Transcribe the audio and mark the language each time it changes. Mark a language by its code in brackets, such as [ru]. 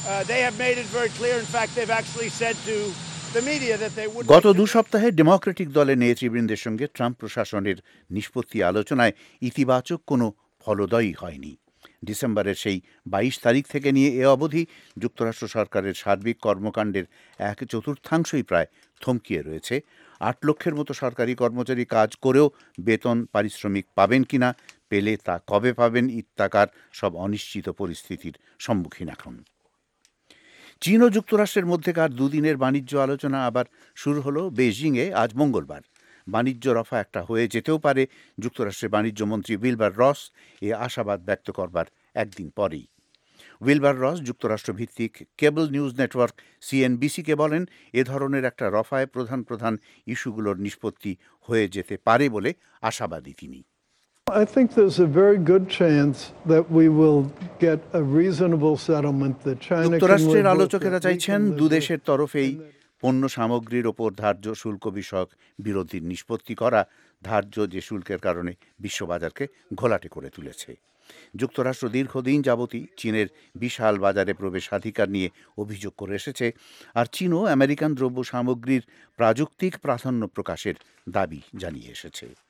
[en] They have made it very clear. In fact, they've actually said to the media that they would. [bn] গত 2 সপ্তাহে Democratic দলের নেতৃবৃন্দের সঙ্গে Trump প্রশাসনের নিষ্পত্তি আলোচনায় ইতিবাচক কোনো ফলদায়ী হয়নি। ডিসেম্বরের সেই 22 তারিখ থেকে নিয়ে এ অবধি যুক্তরাষ্ট্র সরকারের সার্বিক কর্মকাণ্ডের 1/4 প্রায় থমকিয়ে রয়েছে। 8 লক্ষের মতো সরকারি কর্মচারী কাজ করেও বেতন পারিশ্রমিক পাবেন কি না, পেলে তা কবে পাবেন, ইত্যাকার সব অনিশ্চিত পরিস্থিতির সম্মুখীন এখন। চীন ও যুক্তরাষ্ট্রের মধ্যেকার 2 দিনের বাণিজ্য আলোচনা আবার শুরু হলো বেইজিংয়ে আজ মঙ্গলবার। বাণিজ্য রফা একটা হয়ে যেতেও পারে যুক্তরাষ্ট্রের বাণিজ্যমন্ত্রী উইলবার রস এ আশাবাদ ব্যক্ত করবার একদিন পরেই। উইলবার রস যুক্তরাষ্ট্রভিত্তিক কেবল নিউজ নেটওয়ার্ক CNBC-কে বলেন, এ ধরনের একটা রফায় প্রধান প্রধান ইস্যুগুলোর নিষ্পত্তি হয়ে যেতে পারে বলে আশাবাদী তিনি। [en] I think there's a very good chance that we will get a reasonable settlement that China can. [bn] যুক্তরাষ্ট্রের আলোচকেরা চাইছেন দুদেশের তরফেই পণ্য সামগ্রীর ওপর ধার্য শুল্ক বিষয়ক বিরোধের নিষ্পত্তি করা। ধার্য যে শুল্কের কারণে বিশ্ববাজারকে ঘোলাটে করে তুলেছে। যুক্তরাষ্ট্র দীর্ঘদিন যাবতই চীনের বিশাল বাজারে প্রবেশাধিকার নিয়ে অভিযোগ করে এসেছে, আর চীনও আমেরিকান দ্রব্য সামগ্রীর প্রাযুক্তিক প্রাধান্য প্রকাশের দাবি জানিয়ে এসেছে।